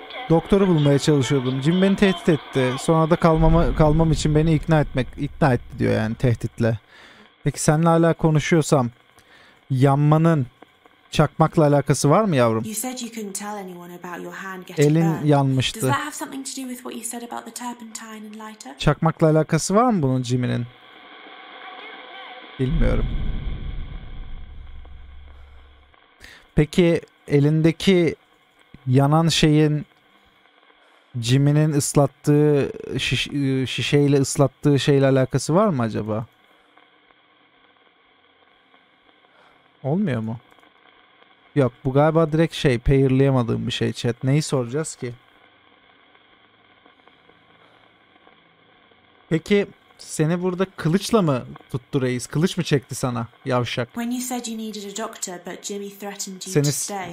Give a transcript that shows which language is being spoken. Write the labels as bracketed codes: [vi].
[tr] Doktoru bulmaya çalışıyordum. Jim beni tehdit etti. Sonra da kalmam için beni ikna etti diyor yani tehditle. Peki seninle hala konuşuyorsam yanmanın çakmakla alakası var mı yavrum? [en] You said you couldn't tell anyone about your hand getting burned. [tr] Elin yanmıştı. [en] Does that have something to do with what you said about the turpentine and lighter? [tr] Çakmakla alakası var mı bunun Jimmy'nin? Bilmiyorum. Peki elindeki yanan şeyin Jimmy'nin ıslattığı şişeyle ıslattığı şeyle alakası var mı acaba? Olmuyor mu? Yok, bu galiba direkt şey, payırlayamadığım bir şey chat. Neyi soracağız ki? Peki seni burada kılıçla mı tuttu reis? Kılıç mı çekti sana yavşak? [en] When you said you needed a doctor, but Jimmy threatened you to stay.